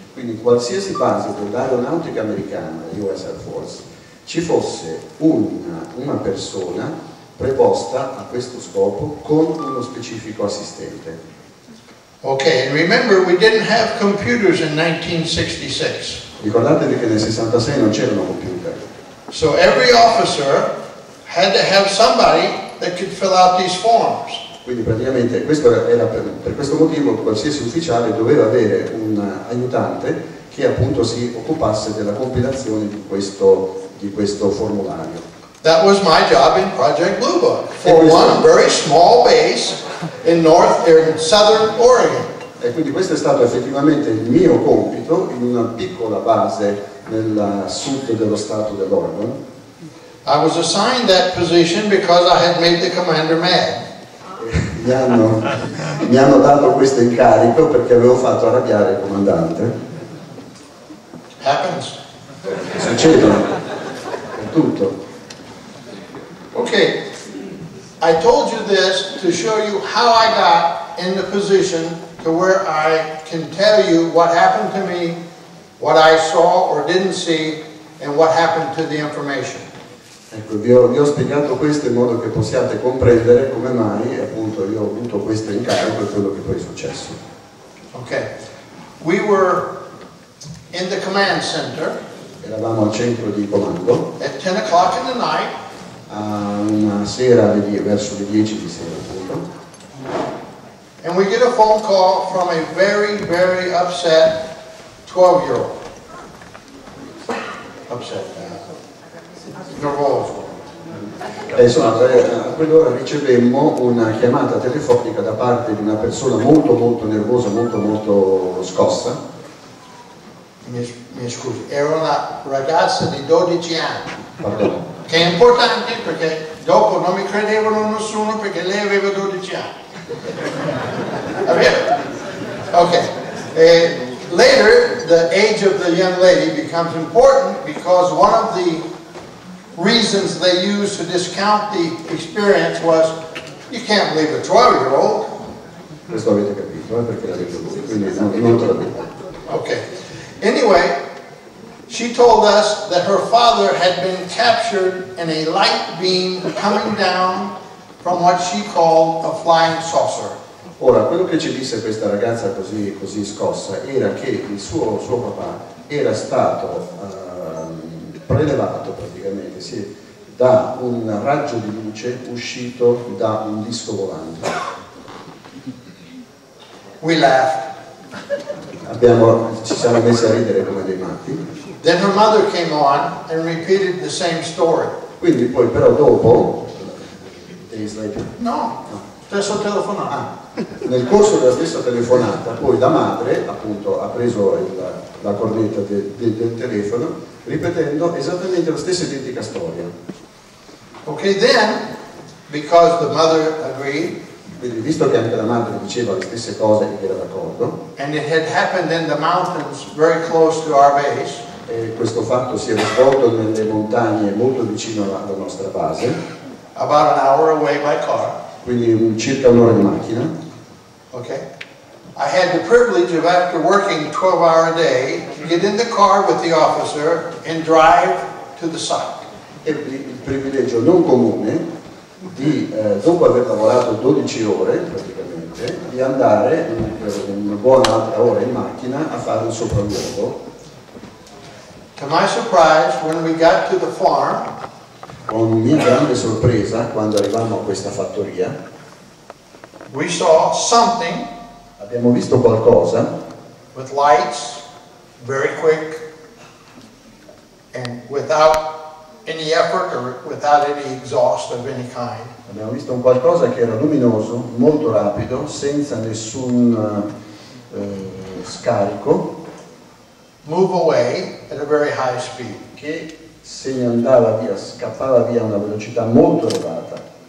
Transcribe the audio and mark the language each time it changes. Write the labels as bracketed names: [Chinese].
[Italian] Quindi qualsiasi base dell'aeronautica americana, US Air Force, ci fosse una persona preposta a questo scopo con uno specifico assistente. [English] Okay, and remember we didn't have computers in 1966. [Italian] Ricordatevi che nel 66 non c'erano computer. [English] So every officer had to have somebody that could fill out these forms. [Italian] Quindi praticamente questo era per questo motivo qualsiasi ufficiale doveva avere un aiutante che appunto si occupasse della compilazione di questo formulario. [English] That was my job in Project Blue Book for one very small base in north or in southern Oregon. [Italian] E quindi questo è stato effettivamente il mio compito in una piccola base nel sud dello stato dell'Oregon. [English] I was assigned that position because I had made the commander mad. [Italian] mi hanno dato questo incarico perché avevo fatto arrabbiare il comandante. [English] Happens. [Italian] Succede. È tutto. [English] Okay, I told you this to show you how I got in the position to where I can tell you what happened to me, what I saw or didn't see, and what happened to the information. [Italian] Ecco, vi ho spiegato questo in modo che possiate comprendere come mai, appunto, io ho avuto questo incarico e quello che poi è successo. [English] Okay, we were in the command center. [Italian] Eravamo al centro di comando. [English] At 10 o'clock in the night. [Italian] A una sera verso le 10 di sera appunto. [English] And we get a phone call from a very, very upset 12-year-old. [Italian] Upset. Nervoso. E insomma, a quell'ora ricevemmo una chiamata telefonica da parte di una persona molto, molto nervosa, molto, molto scossa. Mi scusi, era una ragazza di 12 anni. [English] Pardon. [Italian] Che è importante perché dopo non mi credevano nessuno perché lei aveva 12 anni. [English] Okay. Later, the age of the young lady becomes important because one of the reasons they used to discount the experience was, you can't believe a 12-year-old. [Italian] Questo avete capito, perché l'avete voluto, quindi non tradurre. [English] Okay. Anyway, she told us that her father had been captured in a light beam coming down from what she called a flying saucer. [Italian] Ora, quello che ci disse questa ragazza così scossa era che il suo papà era stato prelevato praticamente, sì, da un raggio di luce uscito da un disco volante. [English] We laughed. [Italian] Ci siamo messi a ridere come dei matti. [English] Then her mother came on and repeated the same story. [Italian] Quindi poi però dopo, [English] days later. [Italian] No, stesso telefonata. Nel corso della stessa telefonata, poi la madre appunto ha preso la cornetta del telefono, ripetendo esattamente la stessa identica storia. [English] Okay, then, because the mother agreed. [Italian] Quindi, visto che anche la madre diceva le stesse cose e era d'accordo. [English] And it had happened in the mountains very close to our base. [Italian] E questo fatto si era svolto nelle montagne molto vicino alla nostra base. [English] About an hour away by car. [Italian] Quindi circa un'ora di macchina. [English] Okay. I had the privilege of, after working 12-hour a day, get in the car with the officer and drive to the site. [Italian] Ebbi il privilegio non comune di, dopo aver lavorato 12 ore praticamente, di andare una buona altra ora in macchina a fare un sopralluogo. [English] To my surprise, when we got to the farm, [Italian] con mia grande sorpresa, quando arrivammo a questa fattoria, [English] we saw something. [Italian] Abbiamo visto qualcosa. [English] With lights, very quick, and without any effort or without any exhaust of any kind. [Italian] Abbiamo visto un qualcosa che era luminoso, molto rapido, senza nessun scarico. [English] Move away at a very high speed. [Italian] Che se ne andava via, scappava via a una velocità molto elevata.